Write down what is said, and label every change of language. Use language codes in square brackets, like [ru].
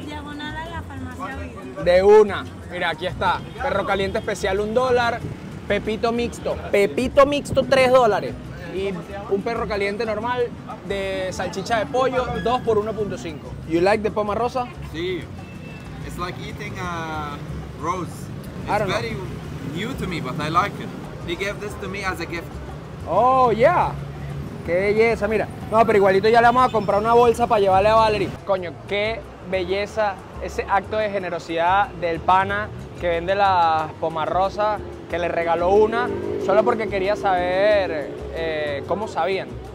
[es] Diagonal a la farmacia. De una. Mira, aquí está. Perro caliente especial, $1. Pepito mixto. Pepito mixto, $3. Y un perro caliente normal de salchicha de pollo, 2 por 1.5. [en] You like the poma rosa? [es] Sí. [en] It's like eating a rose. It's very new to me, but I like it. They gave this to me as a gift. Oh, yeah. [es] Qué belleza, mira. No, pero igualito ya le vamos a comprar una bolsa para llevarle a Valerie. Coño, qué belleza ese acto de generosidad del pana que vende la poma rosa, que le regaló una, solo porque quería saber cómo sabían.